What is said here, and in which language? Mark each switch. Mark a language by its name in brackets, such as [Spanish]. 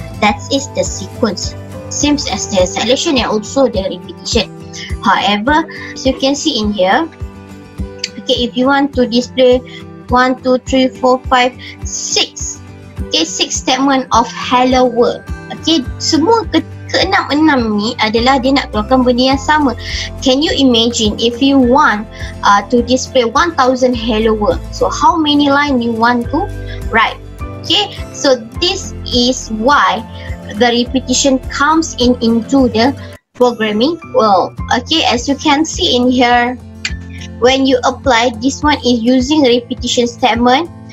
[English] that is the sequence. Same as the selection and also the repetition. However, as you can see in here, okay, if you want to display 1, 2, 3, 4, 5, 6, okay, 6 statement of hello world. [Malay] Okay, semua keenam-enam ni adalah dia nak keluarkan benda yang sama. [English] Can you imagine if you want to display 1,000 hello world? So, how many line you want to write? Okay, so this is why the repetition comes in into the programming world. Okay, as you can see in here, when you apply, this one is using repetition statement.